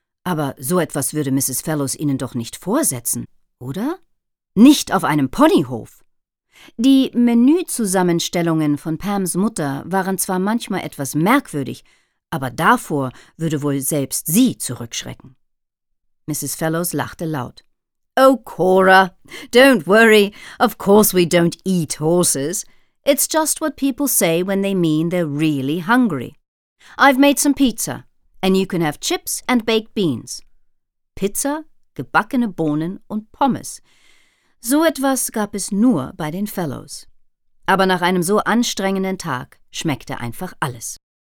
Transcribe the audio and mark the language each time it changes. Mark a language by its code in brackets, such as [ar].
[de] Aber so etwas würde Mrs. Fellows Ihnen doch nicht vorsetzen, oder? Nicht auf einem Ponyhof. Die Menüzusammenstellungen von Pams Mutter waren zwar manchmal etwas merkwürdig, aber davor würde wohl selbst sie zurückschrecken. Mrs. Fellows lachte laut. [en] Oh, Cora, don't worry. Of course we don't eat horses. It's just what people say when they mean they're really hungry. I've made some pizza, and you can have chips and baked beans. [de] Pizza, gebackene Bohnen und Pommes. So etwas gab es nur bei den Fellows. Aber nach einem so anstrengenden Tag schmeckte einfach alles.